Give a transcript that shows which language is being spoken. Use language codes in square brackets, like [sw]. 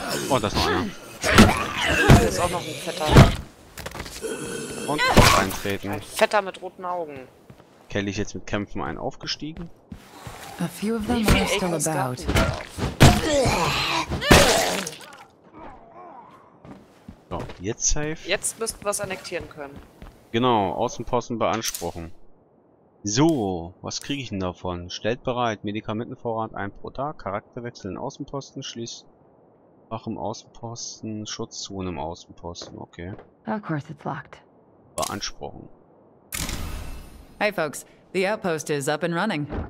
[de] Oh, das ist noch einer. Hier ist auch noch ein Fetter. Und eintreten. Ein Fetter mit roten Augen. Kenne ich jetzt mit Kämpfen einen aufgestiegen? [en] A few of them are still about. [de] So, jetzt safe. Jetzt müssten wir es annektieren können. Genau, Außenposten beanspruchen. So, was kriege ich denn davon? Stellt bereit, Medikamentenvorrat ein pro Tag, Charakterwechsel in Außenposten, schließt Wache im Außenposten, Schutzzone im Außenposten, okay. [en] Of course it's locked. [de] Beanspruchen. [en] Hey folks, the outpost is up and running.